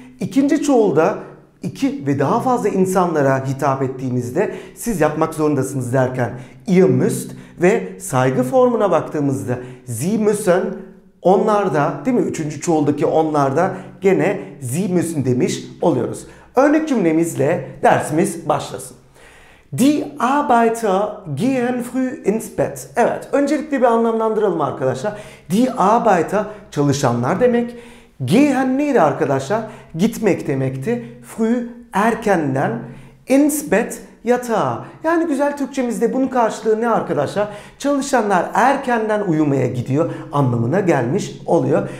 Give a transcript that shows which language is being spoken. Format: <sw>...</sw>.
<tr>İkinci çoğulda iki ve daha fazla insanlara hitap ettiğimizde siz yapmak zorundasınız derken</tr> <de>ihr müsst</de> <tr>ve saygı formuna baktığımızda</tr> <de>sie müssen,</de> <tr>onlar da, değil mi? Üçüncü çoğuldaki onlar da gene</tr> <de>sie müssen</de> <tr>demiş oluyoruz. Örnek cümlemizle dersimiz başlasın.</tr> <de>Die Arbeiter gehen früh ins Bett.</de> <tr>Evet, öncelikle bir anlamlandıralım arkadaşlar.</tr> <de>Die Arbeiter,</de> <tr>çalışanlar demek. Gehen neydi arkadaşlar? Gitmek demekti.</tr> <de>Früh,</de> <tr>erkenden.</tr> <de>Ins Bett,</de> <tr>yatağa. Yani güzel Türkçemizde bunun karşılığı ne arkadaşlar? Çalışanlar erkenden uyumaya gidiyor anlamına gelmiş oluyor.</tr>